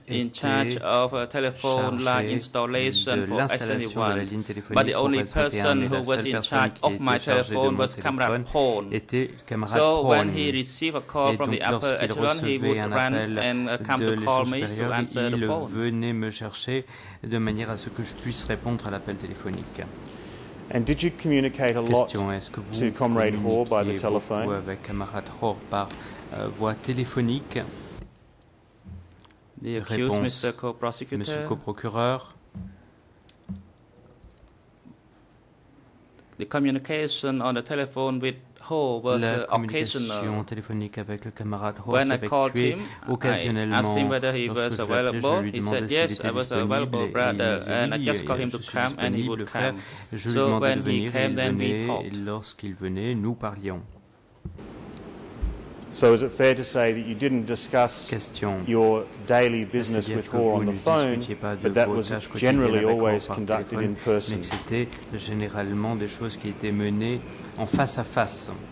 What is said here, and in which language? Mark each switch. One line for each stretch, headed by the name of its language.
English: in charge of a telephone line installation for SN1, but the only person who was in charge of my telephone was Camarade Pon. So when he received a call from the upper echelon, he would run and come to call me to answer the phone.
French: Il venait me chercher de manière à ce que je puisse répondre à l'appel téléphonique.
English: And did you communicate a lot to Comrade Hoare by the telephone?
French: Ou avec Camarade Hoare par voie téléphonique?
English: The accused, Mr. Co-Prosecutor.
French: Monsieur le Co-Procureur.
English: The communication on the telephone with Ho was occasional.
French: La communication téléphonique avec le camarade Ho s'est effectuée occasionnellement.
English: I asked him whether he was available. He said yes, I was available, brother, and I just called him to come, and he would come. So when he came, then we talked.
French: Lorsqu'il venait, nous parlions.
English: So is it fair to say that you didn't discuss
French: Question.
English: Your daily business with Hoare on the phone, but that was generally always conducted in person?
French: Mais c'était généralement des choses qui étaient menées en face à face.